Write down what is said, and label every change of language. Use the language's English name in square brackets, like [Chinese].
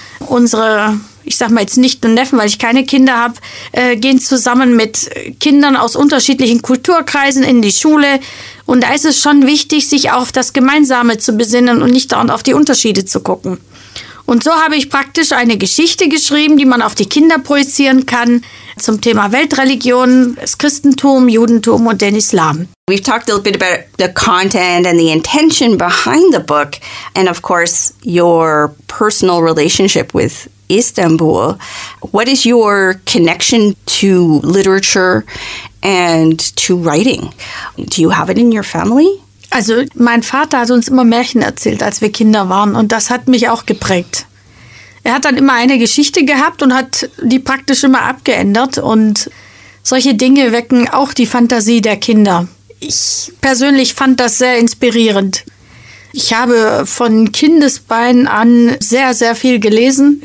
[German] Unsere, ich sag mal jetzt nicht nur Neffen, weil ich keine Kinder habe, gehen zusammen mit Kindern aus unterschiedlichen Kulturkreisen in die Schule. Und da ist es schon wichtig, sich auch auf das Gemeinsame zu besinnen und nicht dauernd auf die Unterschiede zu gucken. Und so habe ich praktisch eine Geschichte geschrieben, die man auf die Kinder projizieren kann, zum Thema Weltreligion, das Christentum, Judentum und den Islam. [English] We've talked a little bit about the content and the intention behind the book and of course your personal relationship with Istanbul. What is your connection to literature and to writing? Do you have it in your family? [German] Also mein Vater hat uns immer Märchen erzählt, als wir Kinder waren, und das hat mich auch geprägt. Er hat dann immer eine Geschichte gehabt und hat die praktisch immer abgeändert, und solche Dinge wecken auch die Fantasie der Kinder. Ich persönlich fand das sehr inspirierend. Ich habe von Kindesbeinen an sehr, sehr viel gelesen.